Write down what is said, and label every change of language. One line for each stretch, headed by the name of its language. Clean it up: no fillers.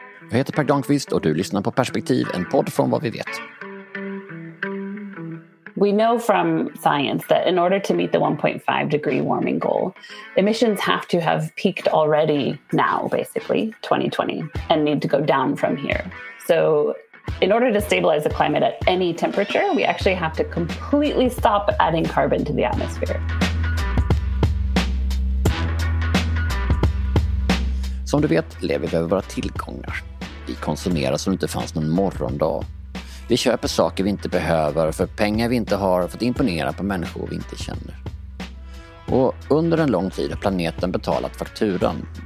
Swedish: Jag heter Per Dahlqvist och du lyssnar på Perspektiv, en podd från Vad vi vet.
English: We know from science that in order to meet the 1.5 degree warming goal, emissions have to have peaked already now, basically, 2020, and need to go down from here. So in order to stabilize the climate at any temperature, we actually have to completely stop adding carbon to the atmosphere.
Swedish: Som du vet lever vi över våra tillgångar. Vi konsumerar som om det inte fanns någon morgondag. Vi köper saker vi inte behöver för pengar vi inte har för att imponera på människor vi inte känner. Och under en lång tid har planeten betalat fakturan.